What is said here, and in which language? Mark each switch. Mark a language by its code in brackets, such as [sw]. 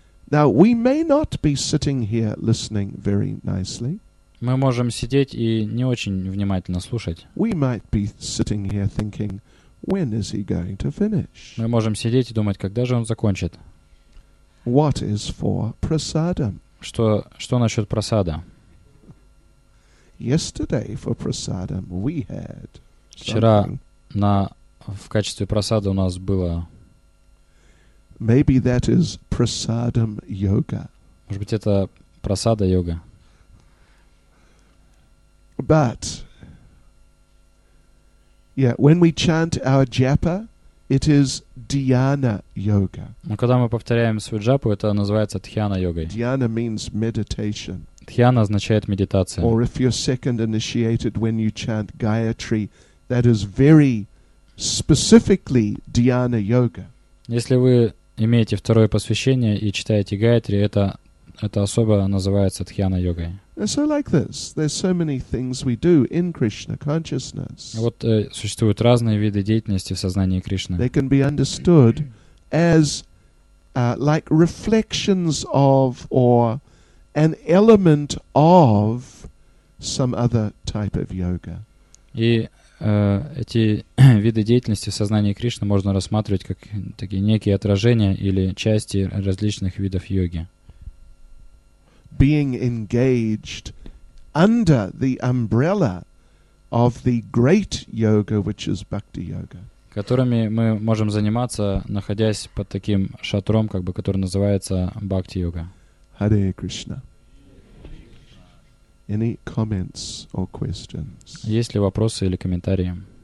[en] Now we may not be sitting here listening very nicely. [ru] Мы можем сидеть и не очень внимательно слушать. Мы можем сидеть и думать, когда же он закончит. [en] What is for prasadam? [ru] Что насчет прасада? [en] Yesterday for prasadam we had something. [ru] Вчера в качестве прасада у нас было. [en] Maybe that is prasadam yoga. [ru] Может быть, это прасада йога. [en] But yeah, when we chant our japa, it is dhyana yoga. [ru] Но когда мы повторяем свою джапу, это называется дхьяна йогой. [en] Dhyana means meditation. [ru] Дхьяна означает медитация. [en] Or if you're second initiated when you chant Gayatri, that is very specifically dhyana yoga. [ru] Если вы имеете второе посвящение и читаете Гаятри, это особо называется дхьяна йогой. [en] And so like this, there's so many things we do in Krishna consciousness. [ru] Вот существуют разные виды деятельности в сознании Кришны. [en] They can be understood as like reflections of or an element of some other type of yoga. [ru] И эти виды деятельности в сознании Кришны можно рассматривать как такие некие отражения или части различных видов йоги. [en] Being engaged under the umbrella of the great yoga, which is bhakti yoga. [ru] Которыми мы можем заниматься, находясь под таким шатром, как бы, который называется бхакти йога. [en] Hare Krishna. Any comments or questions? [ru] Есть ли вопросы или комментарии?